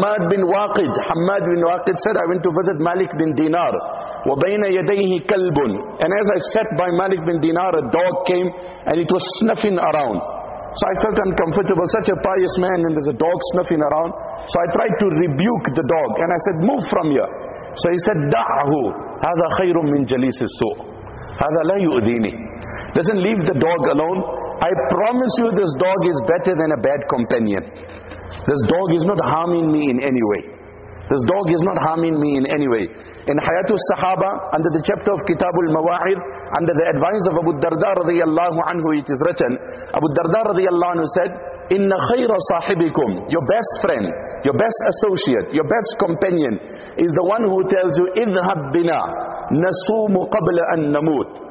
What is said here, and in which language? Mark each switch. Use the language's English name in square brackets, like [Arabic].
[English] Hammad bin Waqid said, I went to visit Malik bin Dinar. [Arabic] وَبَيْنَ يَدَيْهِ كَلْبٌ. [English] And as I sat by Malik bin Dinar, a dog came and it was snuffing around. So I felt uncomfortable. Such a pious man and there's a dog snuffing around. So I tried to rebuke the dog and I said, move from here. So he said, [Arabic] دَعْهُ هَذَا خَيْرٌ مِّن جَلِيسِ السُّوءِ هَذَا لَا يُؤْذِينِ. [English] Listen, leave the dog alone. I promise you this dog is better than a bad companion. This dog is not harming me in any way. This dog is not harming me in any way. In Hayatul Sahaba, under the chapter of Kitabul Mawa'id, under the advice of Abu Darda radiyallahu anhu, it is written, Abu Darda radiyallahu anhu said, [Arabic] Inna khayra sahibikum, [English] your best friend, your best associate, your best companion, is the one who tells you, [Arabic] idhhab bina nasumu qabla an namut.